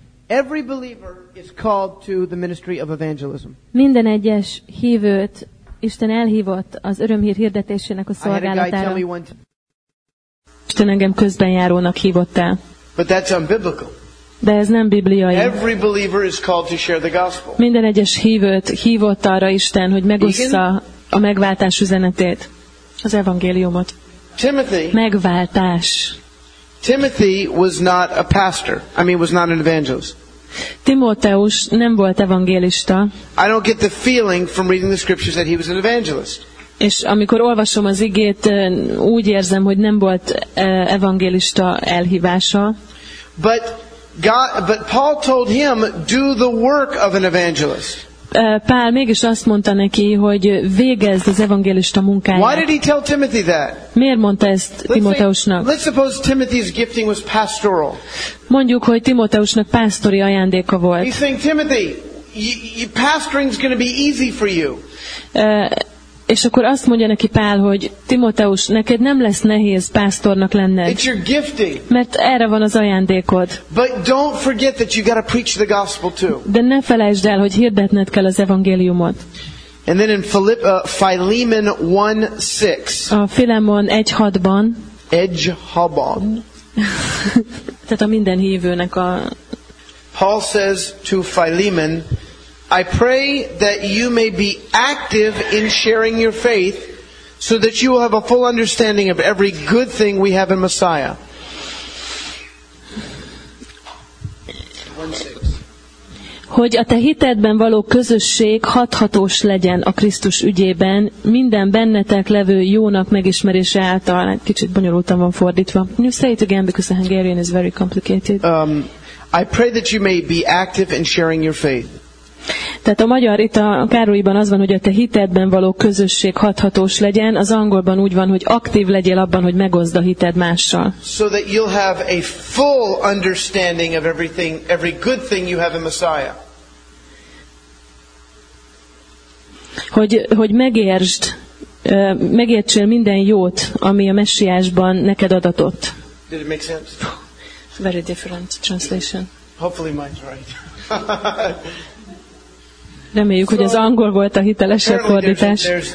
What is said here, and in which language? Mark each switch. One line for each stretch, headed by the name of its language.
English: Every believer is called to the ministry of evangelism.
Hungarian: Minden egyes hívőt Isten elhívott az örömhír hirdetésének a szolgálatára. Isten engem közbenjárónak hívott el.
English: But that's unbiblical.
Hungarian: De ez nem bibliai.
English: Every believer is called to share the gospel.
Hungarian: Minden egyes hívőt hívott arra Isten, hogy megossza a megváltás üzenetét. Az evangéliumot.
English: Timothy.
Hungarian: Megváltás.
English: Timothy was not a pastor. I mean, was not an evangelist.
Hungarian: Timóteus nem volt evangélista.
English: I don't get the feeling from reading the scriptures that he was an evangelist.
Hungarian: És amikor olvasom az igét, úgy érzem, hogy nem volt evangélista elhívása.
English: But God, but Paul told him, do the work of an evangelist.
Hungarian: Pál mégis azt mondta neki, hogy végezd az evangélista munkáját.
English: Why did he tell Timothy that?
Hungarian: Miért mondta ezt Timóteusnak?
English: Let's suppose Timothy's gifting was pastoral.
Hungarian: Mondjuk, hogy Timóteusnak pásztori ajándéka volt.
English: He's saying, Timothy, pastoring's going to be easy for you.
Hungarian: És akkor azt mondja neki Pál, hogy Timóteus, neked nem lesz nehéz pásztornak lenned.
English: It's your gifting.
Hungarian: Mert erre van az ajándékod.
English: But don't forget that you got to preach the gospel too.
Hungarian: De ne felejtsd el, hogy hirdetned kell az evangéliumot.
English: And then in Philemon 1:6.
Hungarian: A Filemon 1:6-ban. Edge-habon. Tehát a minden hívőnek a...
English: Paul says to Philemon, I pray that you may be active in sharing your faith so that you will have a full understanding of every good thing we have in Messiah. 1:6.
Hungarian: Hogy a te hitedben való közösség hathatós legyen a Krisztus ügyében, minden bennetek levő jónak megismerése által. Kicsit bonyolultan van fordítva.
English: Can you say it again because the Hungarian is very complicated. I pray that you may be active in sharing your faith.
Hungarian: Tehát a magyar itt a Károlyiban az van, hogy a te hitedben való közösség hathatós legyen, az angolban úgy van, hogy aktív legyél abban, hogy megoszd a hited mással.
English: So that you'll have a full understanding of everything, every good thing you have in Messiah.
Hungarian: Hogy megértsd, megértsél minden jót, ami a Messiásban neked adatott.
English: Did it make sense? Very different translation. Hopefully mine's right.
Hungarian: Reméljük, hogy az angol volt a hitelesebb fordítás.